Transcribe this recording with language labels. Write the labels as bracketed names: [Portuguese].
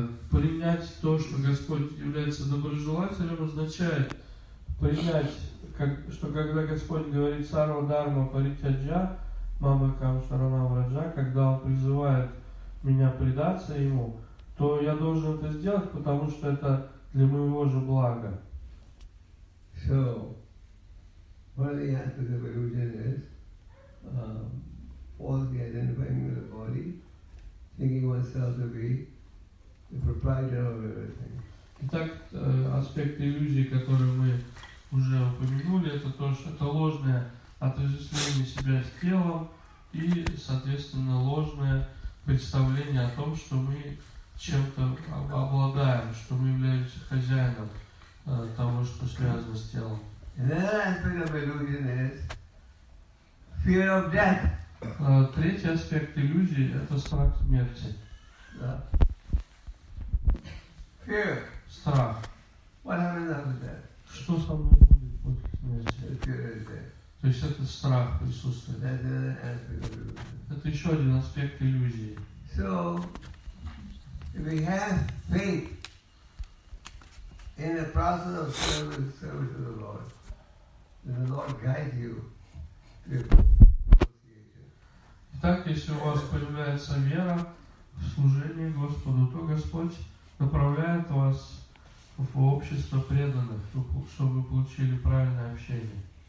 [Russian] Принять то, что Господь является доброжелателем, означает принять, как, что когда Господь говорит Сарва Дарма Паритяджа, Мама Кам Шаранам Раджа, когда Он призывает меня предаться Ему, то я должен это сделать, потому что это для моего же блага. [English] So, what the aspect of illusion is, falsely identifying with the body, thinking oneself to be the proprietor of everything. [Russian] Итак, аспект иллюзии, который мы уже упомянули, это то, что это ложное отождествление себя с телом и, соответственно, ложное представление о том, что мы чем-то обладаем, что мы являемся хозяином того, что связано с телом. [English] Another aspect of illusion is fear of death. [Russian] Третий аспект иллюзии – это страх смерти. Да. [English] Fear. [Russian] Страх. [English] What happens after death? [Russian] Что со мной будет после смерти? [English] The fear is there. [Russian] То есть это страх присутствует. [English] That's another aspect of illusion. [Russian] Это еще один аспект иллюзии. [English] So, if we have faith in the process of service to the Lord, then the Lord guides you. [Russian] Так, если у вас появляется вера в служении Господу, то Господь направляет вас в общество преданных, чтобы вы получили правильное общение.